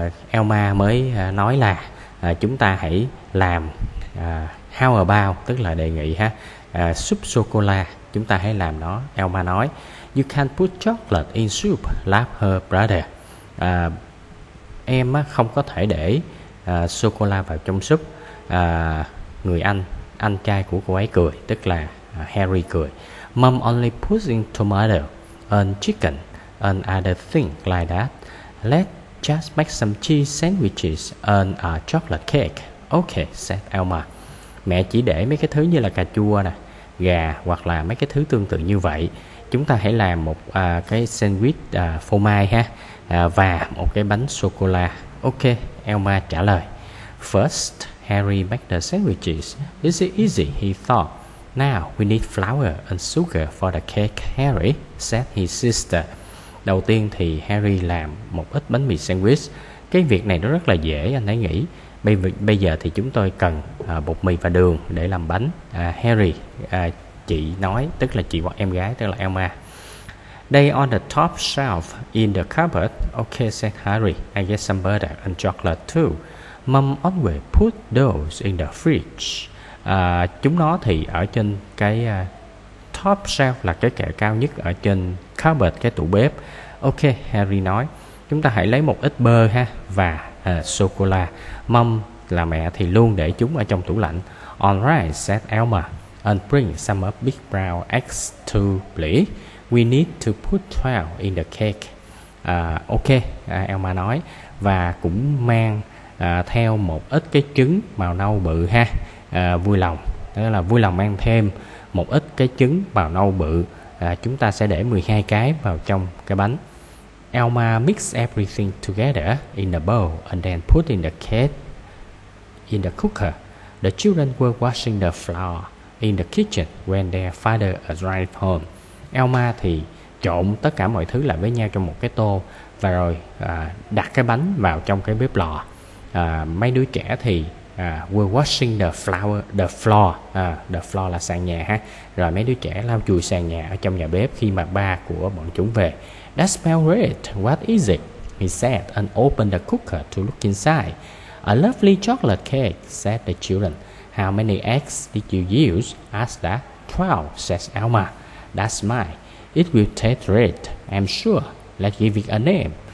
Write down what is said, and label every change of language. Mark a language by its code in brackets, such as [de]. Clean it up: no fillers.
[vi] Elma mới nói là chúng ta hãy làm [en] how about, [vi] tức là đề nghị ha, soup sô-cô-la, chúng ta hãy làm nó. Elma nói, [en] you can't put chocolate in soup, laughed her brother. [vi] Em không có thể để sô-cô-la vào trong súp. Người anh trai của cô ấy cười, tức là Harry cười. [en] Mom only puts in tomato and chicken and other things like that. Let's just make some cheese sandwiches and a chocolate cake. Okay, said Elma. [vi] Mẹ chỉ để mấy cái thứ như là cà chua nè, gà hoặc là mấy cái thứ tương tự như vậy. Chúng ta hãy làm một cái sandwich phô mai ha, và một cái bánh sô cô la. [en] Okay, [vi] Elma trả lời. [en] First, Harry make the sandwiches. Is it easy? He thought. Now we need flour and sugar for the cake, Harry, said his sister. [vi] Đầu tiên thì Harry làm một ít bánh mì sandwich. Cái việc này nó rất là dễ, anh ấy nghĩ. Bây giờ thì chúng tôi cần bột mì và đường để làm bánh. Harry, chị nói, tức là chị hoặc em gái, tức là Emma. [en] They on the top shelf in the cupboard. Okay, said Harry. I get some butter and chocolate too. Mom always put those in the fridge. [vi] Chúng nó thì ở trên cái top shelf, là cái kệ cao nhất ở trên cupboard, cái tủ bếp. Ok, Harry nói, chúng ta hãy lấy một ít bơ ha, và sô-cô-la. Mom là mẹ thì luôn để chúng ở trong tủ lạnh. [en] All right, said Elma, and bring some of big brown eggs to please. We need to put 12 in the cake. [vi] Elma nói, và cũng mang theo một ít cái trứng màu nâu bự ha. Vui lòng, đó là vui lòng mang thêm một ít cái trứng màu nâu bự. Chúng ta sẽ để 12 cái vào trong cái bánh. [en] Elma mix everything together in the bowl and then put in the cake in the cooker. The children were washing the floor in the kitchen when their father arrived home. [vi] Elma thì trộn tất cả mọi thứ lại với nhau trong một cái tô và rồi đặt cái bánh vào trong cái bếp lò. Mấy đứa trẻ thì [en] we're washing the floor [vi] là sàn nhà ha. Rồi mấy đứa trẻ lau chùi sàn nhà ở trong nhà bếp khi mà ba của bọn chúng về. [en] That smells great, what is it? He said and opened the cooker to look inside. A lovely chocolate cake, said the children. How many eggs did you use? Asked that. 12, says Elma. That's mine. It will taste great, I'm sure. Let's give it a name.